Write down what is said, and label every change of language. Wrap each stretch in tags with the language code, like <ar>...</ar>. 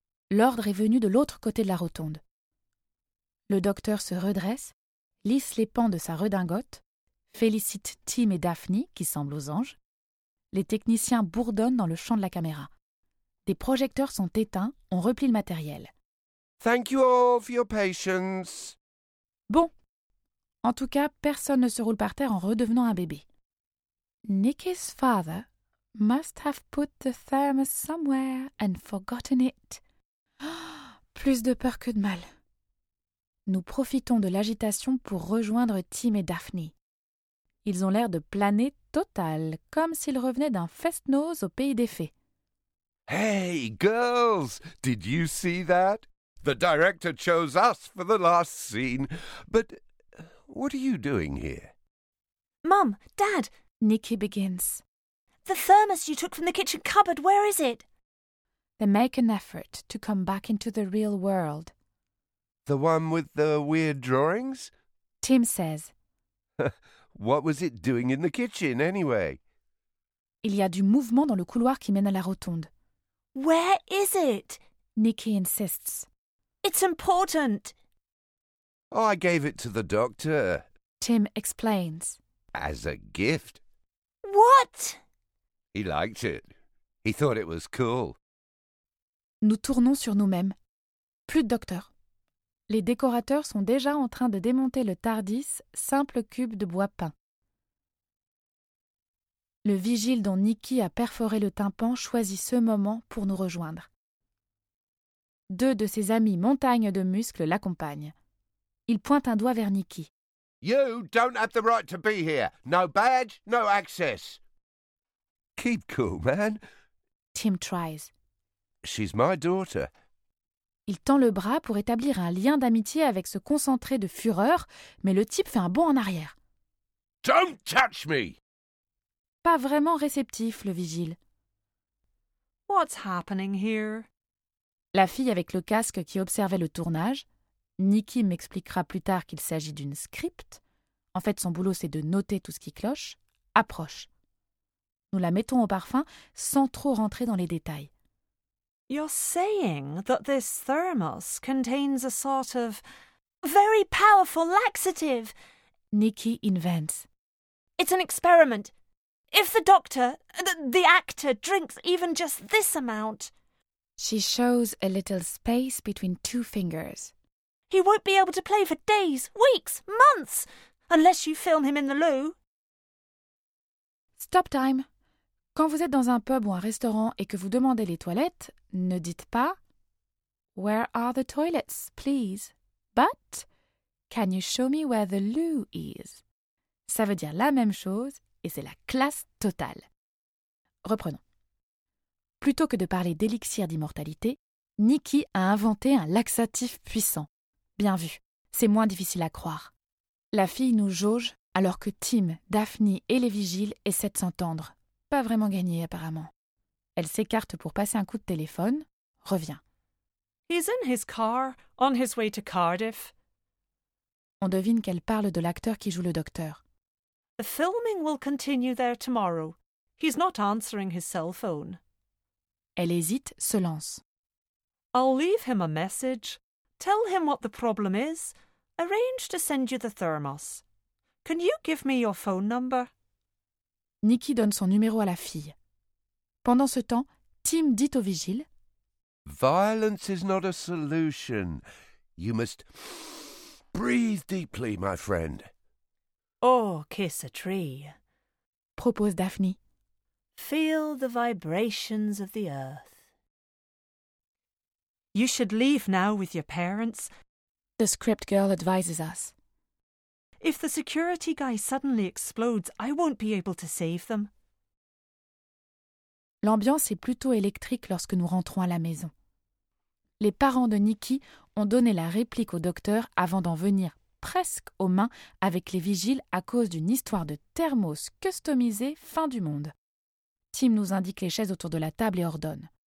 <fr>L'ordre est venu de l'autre côté de la rotonde. Le docteur se redresse, lisse les pans de sa redingote, félicite Tim et Daphne, qui semblent aux anges. Les techniciens bourdonnent dans le champ de la caméra. Des projecteurs sont éteints, on replie le matériel.</fr> <en>Thank you all for your patience.</en> <fr>Bon. En tout cas, personne ne se roule par terre en redevenant un bébé.</fr> <en>Nikki's father must have put the thermos somewhere and forgotten it.</en> <fr>Plus de peur que de mal. Nous profitons de l'agitation pour rejoindre Tim et Daphne. Ils ont l'air de planer total, comme s'ils revenaient d'un fest-nose au pays des fées.</fr> <en>Hey, girls, did you see that? The director chose us for the last scene. But what are you doing here? Mom, Dad, Nikki begins. The thermos you took from the kitchen cupboard, where is it? They make an effort to come back into the real world. The one with the weird drawings? Tim says. What was it doing in the kitchen, anyway?</en> <fr>Il y a du mouvement dans le couloir qui mène à la rotonde.</fr> <en>Where is it? Nikki insists. It's important. Oh, I gave it to the doctor. Tim explains. As a gift. What? He liked it. He thought it was cool.</en> <fr>Nous tournons sur nous-mêmes. Plus de docteur. Les décorateurs sont déjà en train de démonter le TARDIS, simple cube de bois peint. Le vigile dont Nikki a perforé le tympan choisit ce moment pour nous rejoindre. Deux de ses amis montagne de muscles l'accompagnent. Il pointe un doigt vers Nikki.</fr> <en>You don't have the right to be here. No badge, no access. Keep cool, man. Tim tries. She's my daughter.</en> <fr>Il tend le bras pour établir un lien d'amitié avec ce concentré de fureur, mais le type fait un bond en arrière.</fr> <en>Don't touch me!</en> <fr>Pas vraiment réceptif, le vigile.</fr> <en>What's happening here?</en> <fr>La fille avec le casque qui observait le tournage. Nikki m'expliquera plus tard qu'il s'agit d'une script. En fait, son boulot, c'est de noter tout ce qui cloche. Approche. Nous la mettons au parfum sans trop rentrer dans les détails.</fr> <en>You're saying that this thermos contains a sort of very powerful laxative, Nikki invents. It's an experiment. If the doctor, the actor, drinks even just this amount. She shows a little space between two fingers. He won't be able to play for days, weeks, months, unless you film him in the loo. Stop time.</en> <fr>Quand vous êtes dans un pub ou un restaurant et que vous demandez les toilettes, ne dites pas</fr> <en>« Where are the toilets, please ?» But, « Can you show me where the loo is ?»</en> <fr>Ça veut dire la même chose et c'est la classe totale. Reprenons. Plutôt que de parler d'élixir d'immortalité, Nikki a inventé un laxatif puissant. Bien vu, c'est moins difficile à croire. La fille nous jauge alors que Tim, Daphne et les vigiles essaient de s'entendre. Pas vraiment gagné, apparemment. Elle s'écarte pour passer un coup de téléphone, revient.</fr> <en>He's in his car, on his way to Cardiff.</en> <fr>On devine qu'elle parle de l'acteur qui joue le docteur.</fr> <en>The filming will continue there tomorrow. He's not answering his cell phone.</en> <fr>Elle hésite, se lance.</fr> <en>I'll leave him a message. Tell him what the problem is. Arrange to send you the thermos. Can you give me your phone number?</en> <fr>Nikki donne son numéro à la fille. Pendant ce temps, Tim dit au vigile</fr> <en>« Violence is not a solution. You must breathe deeply, my friend. »« Oh, kiss a tree. »</en> <fr>propose Daphne.</fr> <en>« Feel the vibrations of the earth. »« You should leave now with your parents. » The script girl advises us. If the security guy suddenly explodes, I won't be able to save them.</en> <fr>L'ambiance est plutôt électrique lorsque nous rentrons à la maison. Les parents de Nikki ont donné la réplique au docteur avant d'en venir presque aux mains avec les vigiles à cause d'une histoire de thermos customisé fin du monde. Tim nous indique les chaises autour de la table et ordonne.</fr>